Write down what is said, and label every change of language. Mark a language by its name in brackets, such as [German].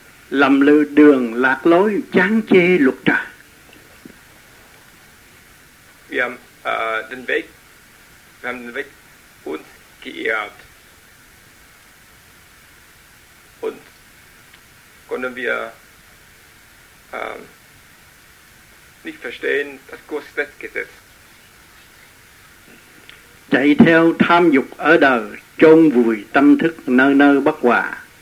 [Vietnamese] Lầm lư đường lạc lối, chán chê luật trời. [German] Wir haben den Weg uns geirrt. Und können wir nicht verstehen, das Gottesgesetz. [Vietnamese] Chạy theo tham dục ở đời, chôn vùi tâm thức nơi nơi bất hòa.